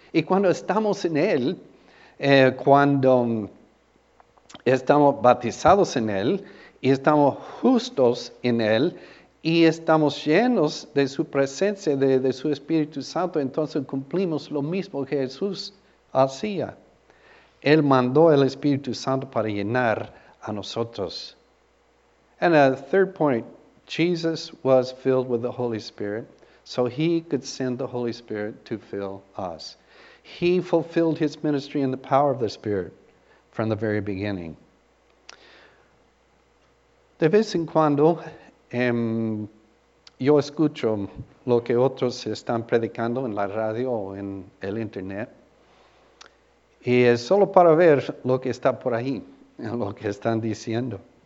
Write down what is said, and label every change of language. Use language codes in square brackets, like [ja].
[es] Y cuando estamos en él, cuando estamos bautizados en él y estamos justos en él, y estamos llenos de su presencia, de su Espíritu Santo, entonces cumplimos lo mismo que Jesús hacía. Él mandó el Espíritu Santo para llenar a nosotros. [en] And a third point, Jesus was filled with the Holy Spirit, so he could send the Holy Spirit to fill us. He fulfilled his ministry in the power of the Spirit, from the very beginning. [es] De vez en cuando, yo escucho lo que otros están predicando en la radio o en el internet. Y es solo para ver lo que está por ahí, lo que están diciendo.